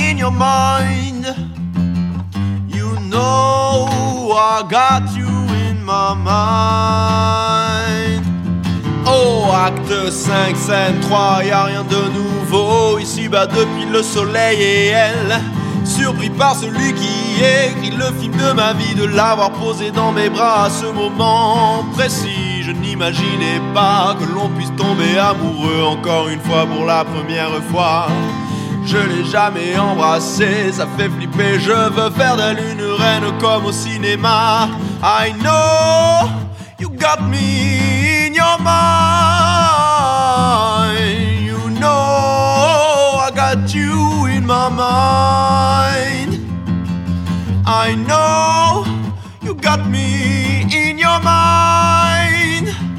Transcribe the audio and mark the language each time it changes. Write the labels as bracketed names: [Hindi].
[English] Mind, you know I got you in my mind. [French] Oh, acte 5, scène 3, y'a rien de nouveau ici bas depuis le soleil et elle. Surpris par celui qui écrit le film de ma vie, de l'avoir posé dans mes bras à ce moment précis. Je n'imaginais pas que l'on puisse tomber amoureux encore une fois pour la première fois. Je l'ai jamais embrassée, ça fait flipper. Je veux faire d'elle une reine comme au cinéma. [English] I know you got me in your mind. You know I got you in my mind. I know you got me in your mind.